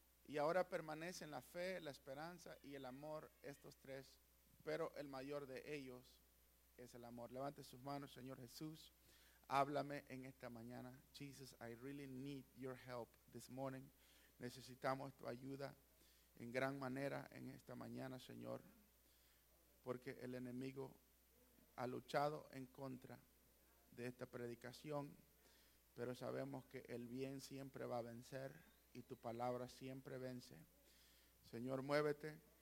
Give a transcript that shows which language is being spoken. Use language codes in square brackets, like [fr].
[es] Y ahora permanecen la fe, la esperanza y el amor, estos tres, pero el mayor de ellos es el amor. Levante sus manos, Señor Jesús, háblame en esta mañana. [en] Jesus, I really need your help this morning. [es] Necesitamos tu ayuda en gran manera en esta mañana, Señor, porque el enemigo ha luchado en contra de esta predicación, pero sabemos que el bien siempre va a vencer. Y tu palabra siempre vence. Señor, muévete.